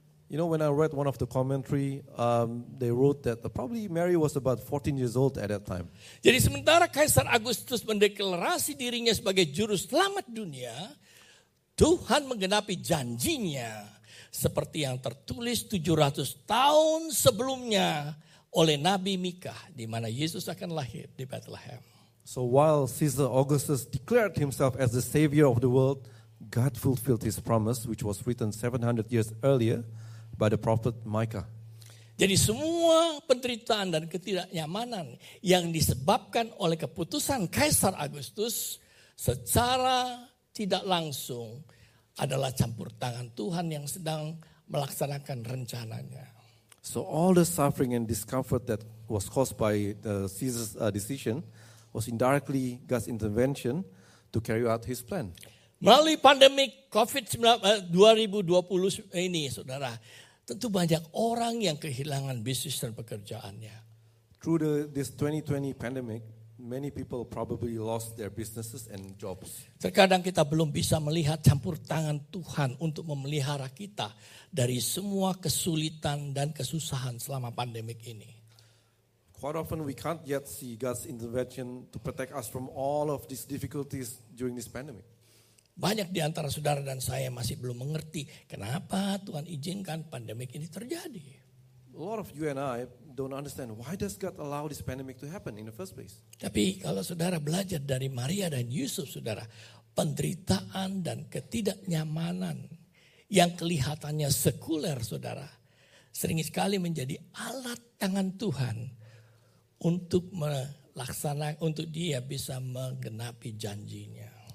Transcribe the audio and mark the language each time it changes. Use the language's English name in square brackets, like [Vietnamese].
[English] You know, when I read one of the commentary, they wrote that probably Mary was about 14 years old at that time. [Indonesian] Jadi sementara Kaisar Augustus mendeklarasi dirinya sebagai juru selamat dunia, Tuhan menggenapi janjinya seperti yang tertulis 700 tahun sebelumnya oleh Nabi Mika, di mana Yesus akan lahir di Bethlehem. [English] So while Caesar Augustus declared himself as the savior of the world, God fulfilled his promise which was written 700 years earlier by the prophet Micah. [Indonesian] Jadi semua penderitaan dan ketidaknyamanan yang disebabkan oleh keputusan Kaisar Augustus secara tidak langsung adalah campur tangan Tuhan yang sedang melaksanakan rencananya. [English] So all the suffering and discomfort that was caused by the Caesar's decision was indirectly God's intervention to carry out his plan. [Indonesian] Melalui pandemi COVID-2020 ini, saudara, tentu banyak orang yang kehilangan bisnis dan pekerjaannya. [English] Through this 2020 pandemic, many people probably lost their businesses and jobs. [Indonesian] Terkadang kita belum bisa melihat campur tangan Tuhan untuk memelihara kita dari semua kesulitan dan kesusahan selama pandemik ini. [English] Quite often we can't yet see God's intervention to protect us from all of these difficulties during this pandemic. [Indonesian] Banyak di antara saudara dan saya masih belum mengerti kenapa Tuhan izinkan pandemik ini terjadi. [English] A lot of you and I don't understand why does God allow this pandemic to happen in the first place. [Indonesian] Tapi kalau saudara belajar dari Maria dan Yusuf, saudara, penderitaan dan ketidaknyamanan yang kelihatannya sekuler, saudara, sering sekali menjadi alat tangan Tuhan untuk melaksanakan, untuk dia bisa menggenapi janjinya.